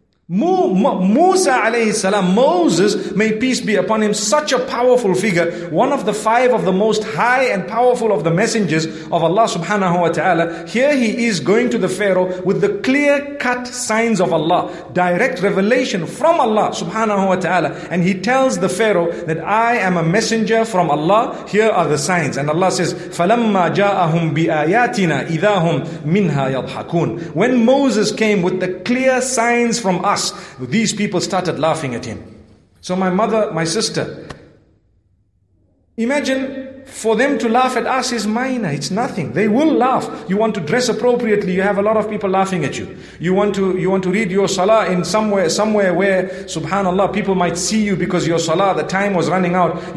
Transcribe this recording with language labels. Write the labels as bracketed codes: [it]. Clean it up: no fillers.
[en] Musa alayhi salam, Moses, may peace be upon him, such a powerful figure, one of the five of the most high and powerful of the messengers of Allah subhanahu wa ta'ala. Here he is going to the Pharaoh with the clear cut signs of Allah, direct revelation from Allah subhanahu wa ta'ala. And he tells the Pharaoh that I am a messenger from Allah, here are the signs. And Allah says, [ar] فَلَمَّا جَاءَهُمْ بِآيَاتِنَا إِذَا هُمْ مِنْهَا يَضْحَكُونَ. [en] When Moses came with the clear signs from us, these people started laughing at him. So my mother, my sister, imagine, for them to laugh at us is minor, it's nothing. They will laugh. You want to dress appropriately, you have a lot of people laughing at you. You want to read your salah in somewhere where, subhanallah, people might see you because your salah, the time was running out.